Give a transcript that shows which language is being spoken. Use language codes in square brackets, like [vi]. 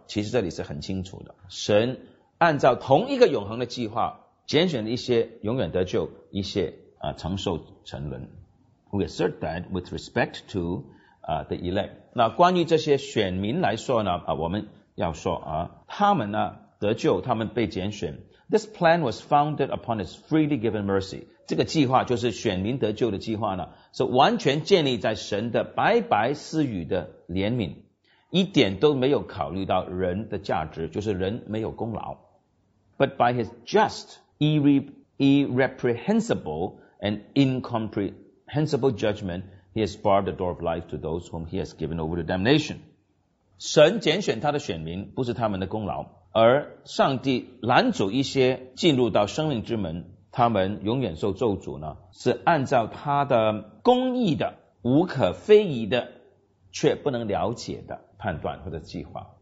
[zh] 其实这里是很清楚的，神按照同一个永恒的计划拣选了一些永远得救，一些承受沉沦。 [en] We assert that with respect to the elect， [zh] 那关于这些选民来说呢我们要说啊，他们呢得救，他们被拣选。 [en] This plan was founded upon His freely given mercy. [zh] 这个计划就是选民得救的计划呢，是完全建立在神的白白赐予的怜悯，一点都没有考虑到人的价值，就是人没有功劳。 [en] But by His just, irreprehensible and incomprehensible judgment, He has barred the door of life to those whom He has given over to damnation. [zh] 神拣选他的选民，不是他们的功劳。而上帝拦阻一些进入到生命之门，他们永远受咒诅呢，是按照他的公义的、无可非议的、却不能了解的判断或者计划。